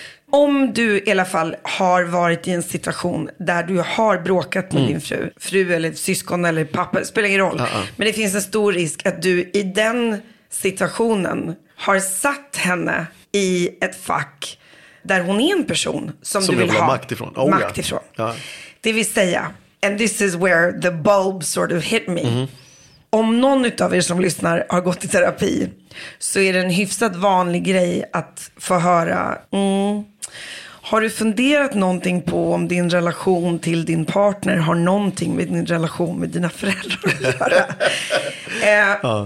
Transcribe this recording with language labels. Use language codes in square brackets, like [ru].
[sv] Om du i alla fall har varit i en situation där du har bråkat med din fru eller syskon eller pappa, det spelar ingen roll. Men det finns en stor risk att du i den situationen har satt henne i ett fack där hon är en person som du vill ha makt ifrån. Det vill säga, [en] and this is where the bulb sort of hit me. [sv] Om någon av er som lyssnar har gått i terapi, så är det en hyfsat vanlig grej att få höra, har du funderat någonting på om din relation till din partner har någonting med din relation med dina föräldrar att göra?